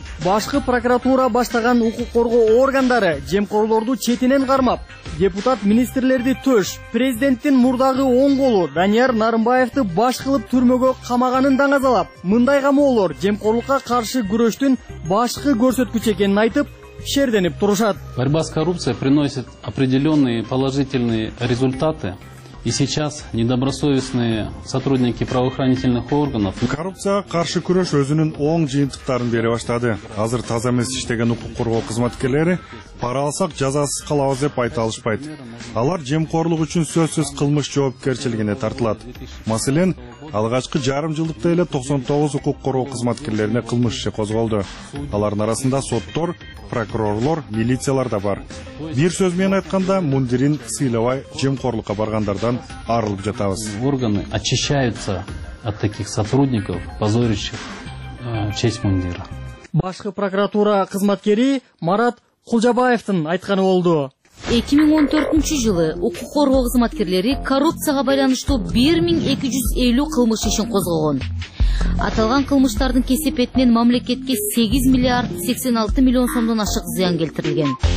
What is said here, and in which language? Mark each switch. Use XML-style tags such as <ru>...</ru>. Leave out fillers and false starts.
<ky>Башкы прокуратура баштаган укук коргоо органдары жемкорлорду четинен кармап, депутат министрлерди төш, президенттин мурдагы оң колу Данияр Нарымбаевди баш кылып түрмөгө камаганын даңазалап, мындай камоолор жемкорлукка каршы күрөштүн башкы көрсөткүчү экенин айтып, шерденип турушат.</ky> <ru>Борьба с коррупцией приносит определенные положительные результаты. И сейчас недобросовестные сотрудники правоохранительных органов.</ru> <ky>Коррупцияга каршы күрөш өзүнүн оң жыйынтыктарын бере баштады. Азыр таза эмес иштеген укук коргоо кызматкерлери пара алсак жазасыз калабыз деп айта алышпайт. Алар жемкорлук үчүн сөзсүз кылмыш жоопкерчилигине тартылат. Маселен, алгачкы жарым жылдыкта эле 99 укук коргоо кызматкерлерине кылмыш иши козголду. Алардын арасында соттор, прокурорлор, милициялар да бар. Бир сөз менен айтканда, мундирин сыйлабай жемкорлукка баргандардан арылып жатабыз.</ky> <ru>Органы очищаются от таких сотрудников, позорящих честь мундира.</ru> <ky>Башкы прокуратура кызматкери Марат Кулжабаевдин айтканы болду. 2014 жылы укук коргоо кызматкерлери коррупцияга байланыштуу 1250 кылмыш ишин козгогон. Аталган кылмыштардын кесепетинен мамлекетке 8 миллиард 86 миллион сомдон ашык зыян келтирилген.</ky>